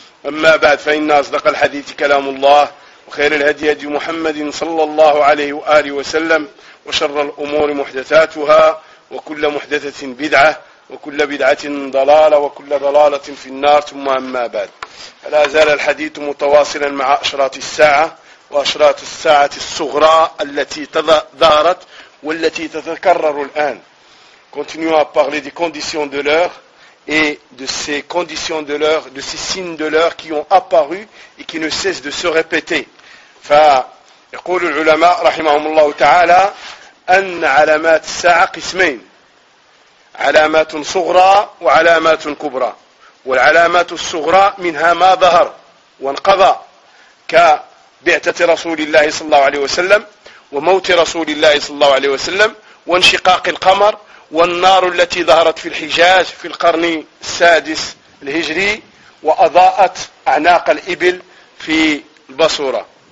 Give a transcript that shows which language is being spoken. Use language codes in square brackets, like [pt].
[ar] أما بعد، فإن أصدق الحديث كلام الله، وخير الهدي هدي محمد صلى الله عليه وآله وسلم، وشر الأمور محدثاتها، وكل محدثة بدعة، وكل بدعة ضلالة، وكل ضلالة في النار. ثم أما بعد، لا زال الحديث متواصلا مع أشراط الساعة وأشراط الساعة الصغرى التي ظهرت والتي تتكرر الآن. [fr] Continuons à parler des conditions de l'heure et de ces conditions de l'heure, de ces signes de l'heure qui ont apparu et qui ne cessent de se répéter. [ar] فيقول العلماء رحمهم الله تعالى أن علامات الساعة قسمين، علامات صغرى وعلامات كبرى. والعلامات الصغرى منها ما ظهر وانقضى كبعثة رسول الله صلى الله عليه وسلم وموت رسول الله صلى الله عليه وسلم وانشقاق القمر والنار التي ظهرت في الحجاز في القرن السادس الهجري وأضاءت أعناق الإبل في البصورة.